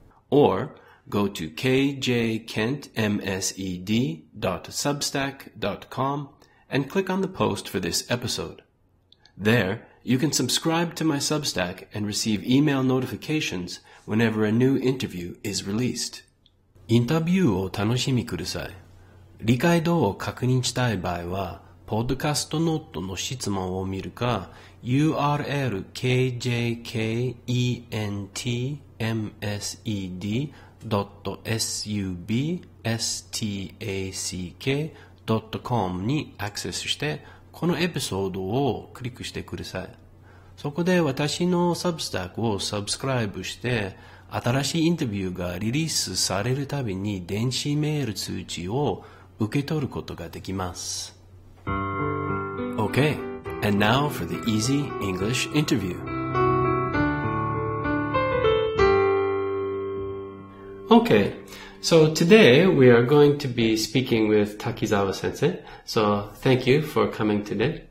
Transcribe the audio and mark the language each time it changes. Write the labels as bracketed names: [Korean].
[English] Or go to kjkentmsed.substack.com and click on the post for this episode. There, you can subscribe to my Substack and receive email notifications whenever a new interview is released. [Japanese] インタビューを楽しみください。理解度を確認したい場合は、ポッドキャストノートの質問を見るか、urlkjkentmsed.substack.com にアクセスして、このエピソードをクリックしてください。そこで私のサブスタックをサブスクライブして、新しいインタビューがリリースされるたびに電子メール通知を受け取ることができます。 [English] Okay, and now for the easy English interview. Okay, so today we are going to be speaking with Takizawa Sensei. So thank you for coming today.